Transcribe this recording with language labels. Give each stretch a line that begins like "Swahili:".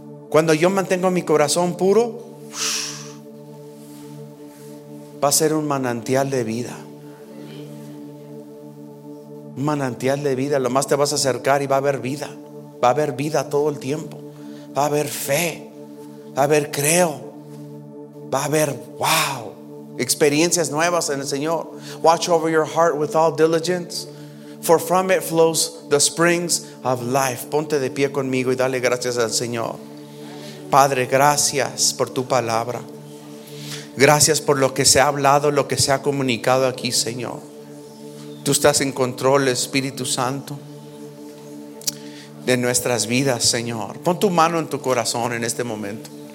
Spanish: Cuando yo mantengo mi corazón puro, va a ser un manantial de vida. Un manantial de vida. Lo más te vas a acercar y va a haber vida. Va a haber vida todo el tiempo. Va a haber fe. Va a haber creo. Va a haber, wow, experiencias nuevas en el Señor.
English: Watch over your heart with all diligence, for from it flows the springs of life.
Spanish: Ponte de pie conmigo y dale gracias al Señor. Padre, gracias por tu palabra. Gracias por lo que se ha hablado, lo que se ha comunicado aquí, Señor. Tú estás en control, Espíritu Santo. de nuestras vidas, Señor. Pon tu mano en tu corazón en este momento.